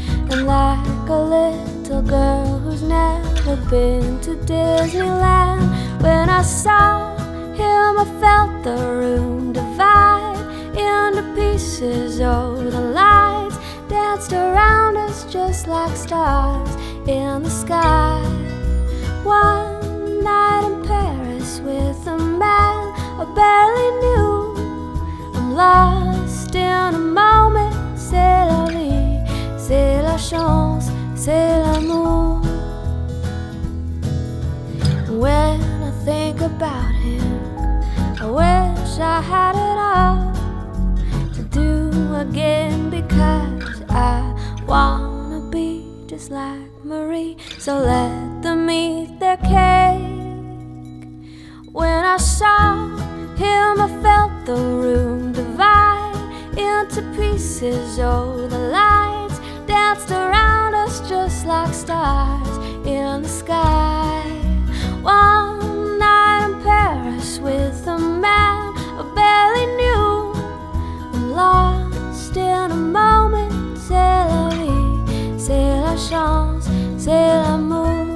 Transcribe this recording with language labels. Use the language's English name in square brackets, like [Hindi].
[English] And like a little girl who's never been to Disneyland, when I saw him I felt the room divide into pieces. Oh, the lights danced around us just like stars in the sky. One night in Paris with a man I barely knew. I'm lost in a moment. [French] C'est la vie, c'est la chance, c'est l'amour. [English] When I think about him, I wish I had it all to do again, because I wanna be just like Marie. So let them eat their cake. When I saw him, I felt the room divide into pieces. Oh, the lights danced around us just like stars in the sky. One night in Paris with a man I barely knew. I'm lost in a moment. [French] C'est la vie, c'est la chance, c'est l'amour.